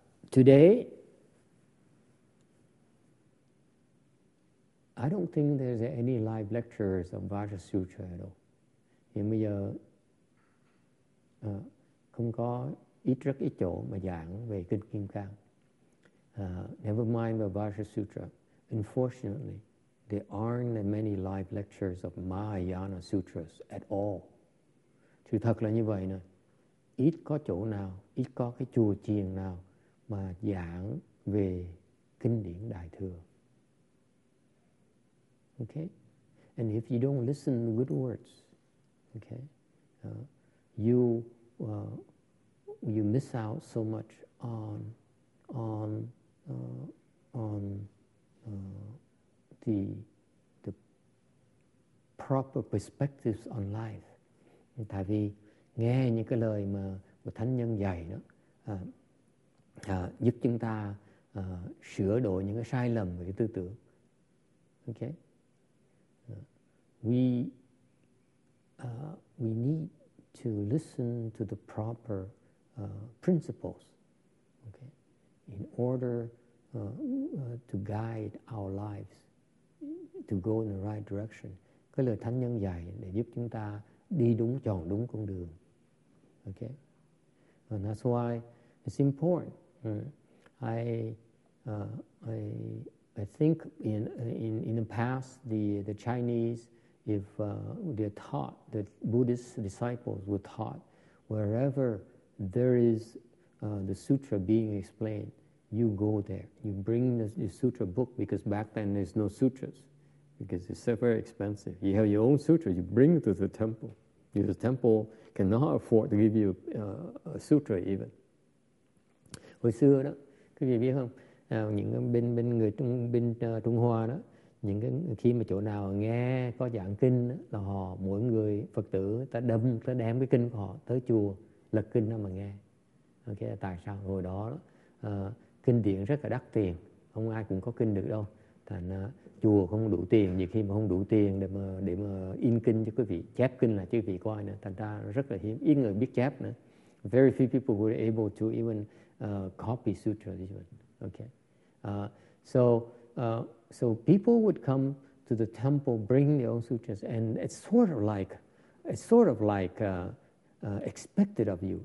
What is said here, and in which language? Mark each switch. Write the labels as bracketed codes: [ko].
[en] Today, I don't think there's any live lectures of Vajra Sutra at all. [vi] Nhưng bây giờ không có ít rất ít chỗ mà giảng về kinh Kim Cang. [en] Never mind the Vajra Sutra. Unfortunately, there aren't that many live lectures of Mahayana sutras at all. [vi] Sự thật là như vậy nè. Ít có chỗ nào, ít có cái chùa chiền nào mà giảng về kinh điển Đại Thừa. Okay? [en] And if you don't listen to good words, okay, you miss out so much on the proper perspectives on life. [vi] Tại vì nghe những cái lời mà của thánh nhân dạy đó giúp chúng ta sửa đổi những cái sai lầm về cái tư tưởng. [en] Okay? We need to listen to the proper principles, okay, in order to guide our lives to go in the right direction. [vi] Cái lời thánh nhân dạy để giúp chúng ta đi đúng chọn đúng con đường. [en] Okay, and that's why it's important. I think in the past the Chinese, if they're taught, the Buddhist disciples were taught, wherever there is the sutra being explained, you go there. You bring the sutra book, because back then there's no sutras, because it's so very expensive. You have your own sutra, you bring it to the temple. The temple cannot afford to give you a sutra even. [vi] Hồi xưa đó, quý vị biết không? Những bên bên người Trung bên Trung Hoa đó, những cái khi mà chỗ nào nghe có giảng kinh đó, là họ mỗi người Phật tử ta đâm ta đem cái kinh của họ tới chùa lật kinh ra mà nghe. Ok, tại sao hồi đó kinh điển rất là đắt tiền, không ai cũng có kinh được đâu. Thành chùa không đủ tiền, nhiều khi mà không đủ tiền để mà in kinh cho quý vị, chép kinh là chứ quý vị coi nữa, thành ra rất là hiếm, ít người biết chép nữa. [en] Very few people were able to even copy sutra even. Okay. So people would come to the temple bringing their own sutras, and it's sort of like expected of you.